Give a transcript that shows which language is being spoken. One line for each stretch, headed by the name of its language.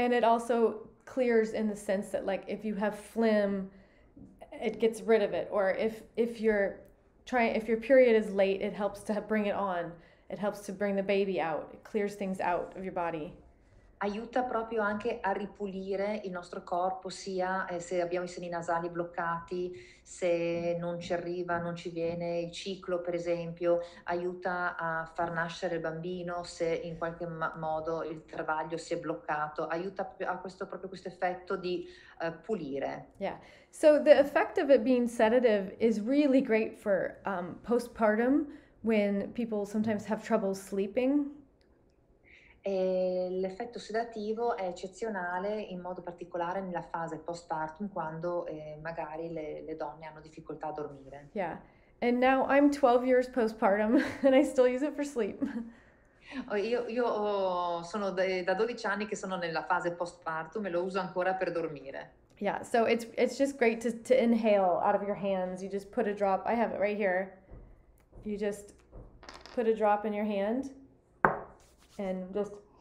English: And it also clears in the sense that like if you have phlegm, it gets rid of it. Or if your period is late, it helps to bring it on. It helps to bring the baby out. It clears things out of your body.
Italian: Aiuta proprio anche a ripulire il nostro corpo, sia se abbiamo i semi nasali bloccati, se non ci arriva, non ci viene il ciclo, per esempio, aiuta a far nascere il bambino, se in qualche modo il travaglio si è bloccato, aiuta a questo, proprio questo effetto di pulire.
English: Yeah, so the effect of it being sedative is really great for postpartum when people sometimes have trouble sleeping.
Italian: L'effetto sedativo è eccezionale, in modo particolare nella fase postpartum, quando magari le donne hanno difficoltà a dormire.
English: Yeah, and now I'm 12 years postpartum and I still use it for sleep.
Italian: Io sono da 12 anni che sono nella fase postpartum e lo uso ancora per dormire.
English: Yeah, so it's just great to inhale out of your hands. You just put a drop. I have it right here. You just put a drop in your hand and just.